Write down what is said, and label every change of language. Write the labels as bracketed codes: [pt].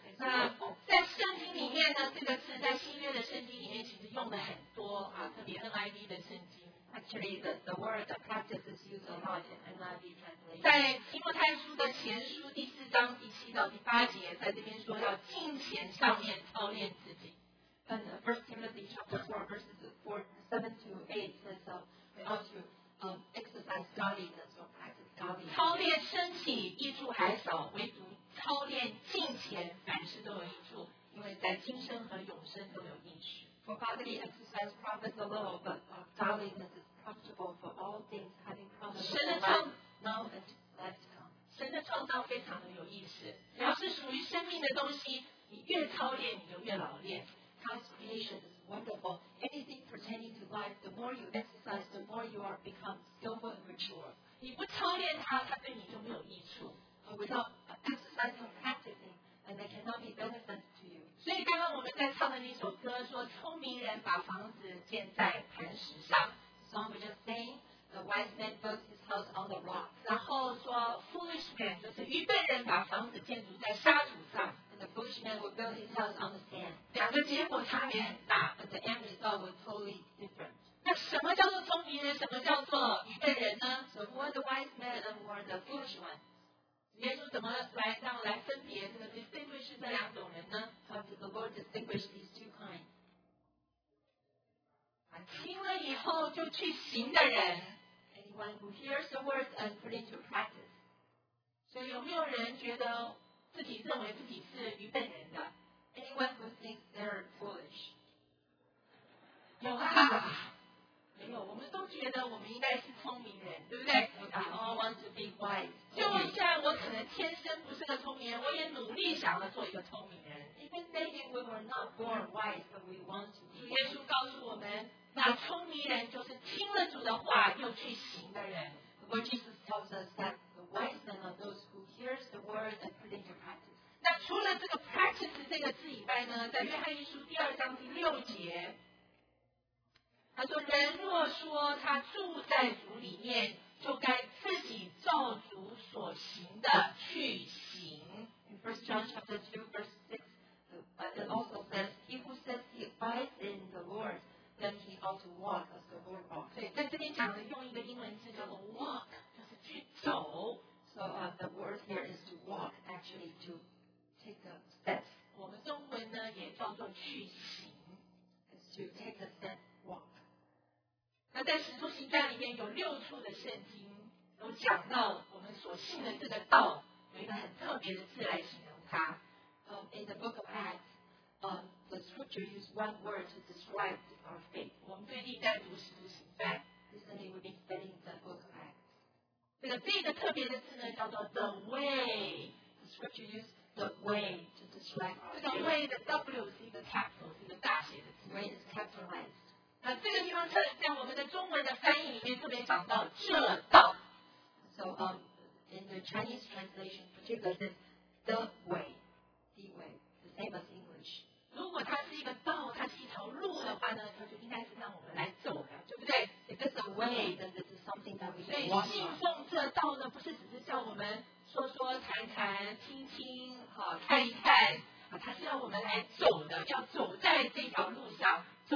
[zh] 在圣经里面呢，这个字在新约的圣经里面其实用的很多特别 NIV 的圣经。 [en] Actually, the word the practice is used a lot in NIV translation. [zh] 在提摩太书的前书第四章第七到第八节，在这边说要尽显上面操练自己。 [en] And First Timothy chapter four, verses 4:7-8 says, "We ought to exercise godliness or practice godliness." [zh] 操练身体益处还少，唯独操练金钱凡事都有益处，因为在今生和永生都有应许。 [en] For bodily exercise profits a little, but godliness is profitable for all things, having profit. [zh] 神的创 [en] 造 now and life to come. [zh] 神的创造非常的有意思。要是属于生命的东西，你越操练你就越老练。 [en] God's creation is wonderful. Anything pertaining to life, the more you exercise, the more you are become skillful and mature. [zh] 你不操练它，它对你就没有益处。 [en] Without exercising or practicing, and they cannot be benefits to you. [zh] 所以刚刚我们在唱的那首歌说，聪明人把房子建在磐石上。 [en] Song we just sang, the wise man built his house on the rock. [zh] 然后说 ， [en] foolish man [zh] 就是愚笨人把房子建筑在沙土上。 [en] And the foolish man will build his house on the sand. [zh] 两个结果差别很大 [en] ，but the end result was totally different. [zh] 那什么叫做聪明人？什么叫做愚笨人呢？ [en] So who are the wise men and who are the foolish ones? [zh] 耶稣怎么来让来分别这个 distinguish 这两种人呢？ [en] How did the Lord distinguish these two kinds? [zh] 啊，听了以后就去行的人。 [en] Anyone who hears the word and put into practice. [zh] 所以有没有人觉得自己认为自己是愚笨人的？ [en] Anyone who thinks they're foolish. [zh] 有啊。没有，我们都觉得我们应该是聪明人，对不对？ [en] We all want to be wise. [zh] 就像我可能天生不是个聪明人，我也努力想要做一个聪明人。 [en] Even maybe we were not born wise, but we want to be. [zh] 耶稣告诉我们，那聪明人就是听了主的话又去行的人。 [en] The Lord Jesus tells us that the wise men are those who hears the word and put into practice. [zh] 那除了这个 practice 这个字以外呢，在约翰一书第二章第六节。他说人若说他住在主里面就该自己照主所行的去行。 [en] In 1 John chapter 2 verse 6 it also says he who says he abides in the Lord then he ought to walk as the Lord walks. [zh] 对，在这里讲的用一个英文字叫做 walk 就是去走。 [en] So the word here is to walk, actually to take a step. [zh] 我们中文呢也叫做去行。 [en] It's to take a step. [zh] 那在使徒行传里面有六处的圣经都讲到我们所信的这个道有一个很特别的字来形容它。 [en] In the book of Acts, the scripture used one word to describe our faith. [zh] 我们最近在读使徒行传。 [en] Recently we've been studying the book of Acts. [zh] 这个第一个特别的字呢叫做 [en] the way. The scripture used the way to describe our faith. [zh] 这个 way 的 W 是一个 capital, 是一个大写的字。 [en] Way is capitalized. [zh] 那这个地方在我们的中文的翻译里面特别讲到这道。 [en] So in the Chinese translation, particularly says the way, the way, the same as English. 如果它是一个道，它是一条路的话呢，它就应该是让我们来走的，对不对？ If it's a way, then this is something that we walk on. [zh] 信奉这道呢，不是只是叫我们说说谈谈、听听、好看一看，啊，它是要我们来走的，要走在这条路上。